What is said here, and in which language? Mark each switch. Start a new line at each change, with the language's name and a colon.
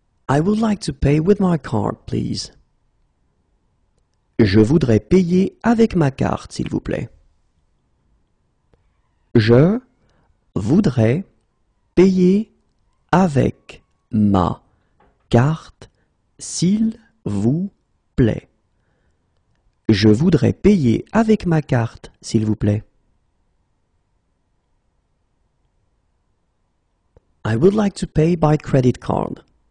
English: I would like to pay with my card, please.
French: Je voudrais payer avec ma carte, s'il vous plaît. Je voudrais payer avec ma carte, s'il vous plaît. Je voudrais payer avec ma carte, s'il vous plaît.
English: I would like to pay by credit card.